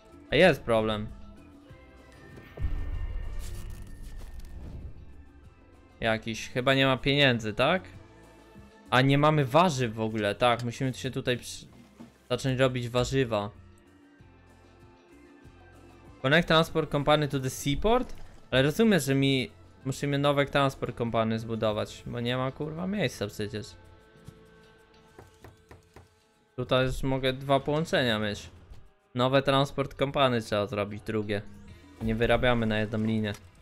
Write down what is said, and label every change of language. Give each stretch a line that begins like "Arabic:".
Polish: A jest problem. Jakiś. Chyba nie ma pieniędzy, tak? A nie mamy warzyw w ogóle. Tak, musimy się tutaj zacząć robić warzywa.
English: Connect Transport Company to the seaport?
Polish: Ale rozumiem, że mi musimy nowe Transport Company zbudować, bo nie ma kurwa miejsca przecież. Tutaj już mogę dwa połączenia mieć. Nowe Transport Company trzeba zrobić, drugie. Nie wyrabiamy na jedną linię.